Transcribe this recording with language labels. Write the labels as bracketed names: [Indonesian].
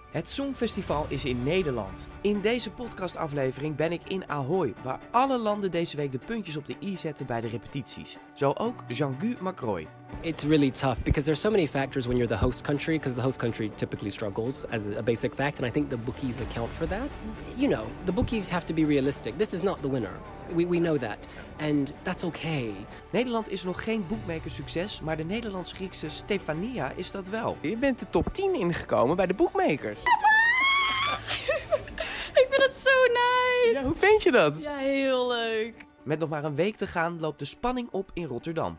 [Dutch] Het Songfestival is in Nederland. In deze podcastaflevering ben ik in Ahoy, waar alle landen deze week de puntjes op de i zetten bij de repetities. Zo ook Jean-Gu McRoy. [English] It's really tough because there's so many factors when you're the host country, because the host country typically struggles as a basic fact, and I think the bookies account for that. You know, the bookies have to be realistic. This is not the winner. We know that. And that's okay. [Dutch] Nederland is nog geen boekmakersucces, maar de Nederlands-Griekse Stefania is dat wel. Je bent de top 10 ingekomen bij de boekmakers. Ik vind het zo nice. Ja, hoe vind je dat? Ja, heel leuk. Met nog maar een week te gaan loopt de spanning op in Rotterdam.